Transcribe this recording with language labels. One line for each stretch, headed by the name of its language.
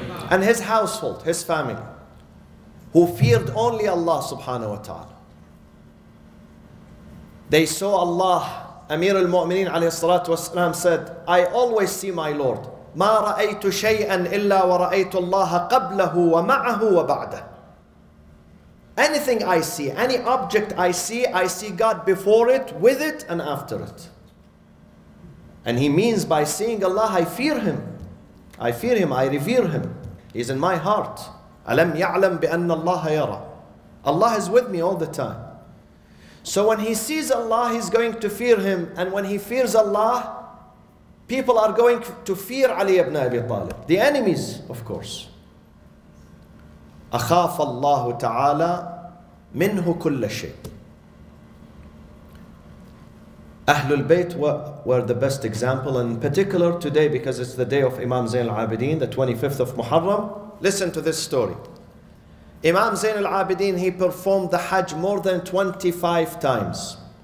English: And his household, his family, who feared only Allah subhanahu wa ta'ala. They saw Allah, Amir al-Mu'mineen alayhi salatu wassalam said, I always see my Lord.
Arabic: ما رأيت شيئا إلا ورأيت الله قبله ومعه وبعده.
English: Anything I see, any object I see God before it, with it, and after it. And he means by seeing Allah, I fear him. I fear him, I revere him. He's in my heart.
Arabic: أَلَمْ يَعْلَمْ بِأَنَّ اللَّهَ يَرَى.
English: Allah is with me all the time. So when he sees Allah, he's going to fear him. And when he fears Allah, people are going to fear Ali ibn Abi Talib. The enemies, of course.
Arabic: أخاف الله تعالى منه كل شيء.
English: أهل البيت were the best example, and in particular today, because it's the day of Imam Zain Al-Abideen, the 25th of Muharram. Listen to this story. Imam Zain al-Abideen, he performed the Hajj more than 25 times.